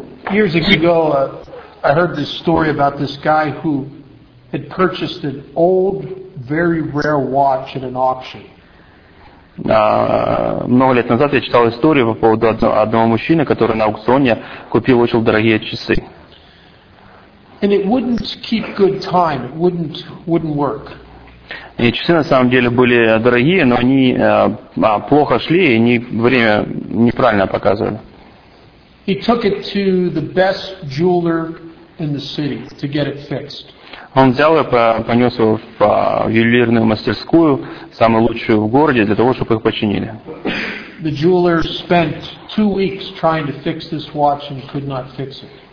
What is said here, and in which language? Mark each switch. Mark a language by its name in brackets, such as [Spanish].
[English] Years ago, I heard this story about this guy who had purchased an old, very rare watch at an auction. [Russian] Много лет назад я читал историю по поводу одного мужчины, который на аукционе купил очень дорогие часы. [English] And it wouldn't keep good time. It wouldn't work. [Russian] И часы на самом деле были дорогие, но они плохо шли и не время неправильно показывали. [English] He took it to the best jeweler in the city to get it fixed. [Russian] Он взял его, понес его в ювелирную мастерскую, самую лучшую в городе, для того, чтобы их починили. [English] The jeweler spent 2 weeks trying to fix this watch and could not fix it.